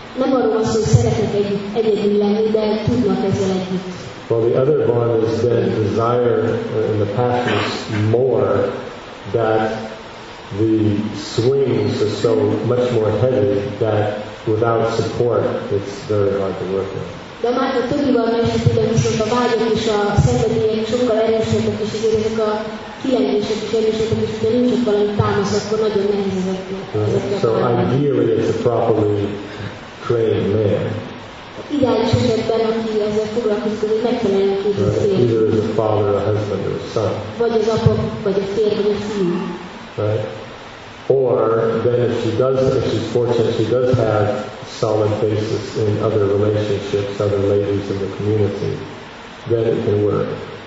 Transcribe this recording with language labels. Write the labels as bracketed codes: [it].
[en] Well, the other one is that desire in the passion is more, that the swings are so much more heavy that without support it's very hard to work with. [hu] De már a többi valami esetében viszont a vágyak és a szenvedélyek sokkal erősebbek, és így ezek a kilengések és erősebbek, és ugye nincs ott valami támasz, akkor nagyon nehéz ezek. [en] So ideally it's a properly trained man. [hu] Ideális esetben, aki ezzel foglalkozik, hogy megfelelően képzett férj. [en] Either as a father, a husband, or a son. [hu] Vagy az apa, vagy a férj, vagy a fiú. [en] Or then if she does, if she's fortunate, she does have solid basis in other relationships, other ladies in the community, then it can work.